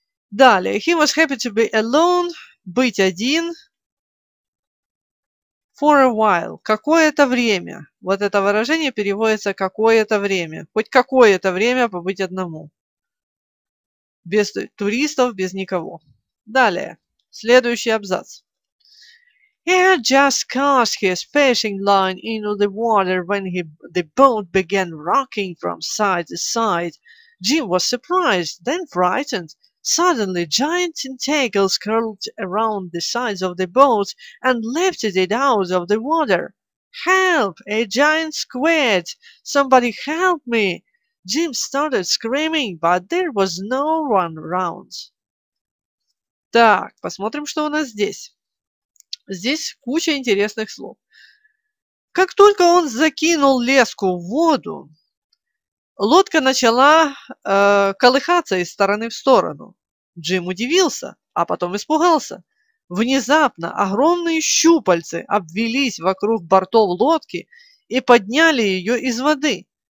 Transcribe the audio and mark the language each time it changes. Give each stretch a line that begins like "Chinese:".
Russian: Далее,
English: he was happy to be alone,
Russian: быть один,
English: for a while,
Russian: какое-то время. Вот это выражение переводится какое-то время, хоть какое-то время побыть одному, без туристов, без никого. Далее, следующий абзац.
English: He had just cast his fishing line into the water when the boat began rocking from side to side. Jim was surprised, then frightened. Suddenly, giant tentacles curled around the sides of the boat and lifted it out of the water. Help! A giant squid! Somebody help me! Jim started screaming, but there was no one around.
Russian: Так, посмотрим, что у нас здесь. Здесь куча интересных слов. Как только он закинул леску в воду, лодка начала колыхаться из стороны в сторону. Джим удивился, а потом испугался. Внезапно огромные щупальцы обвились вокруг бортов лодки и подняли ее из воды.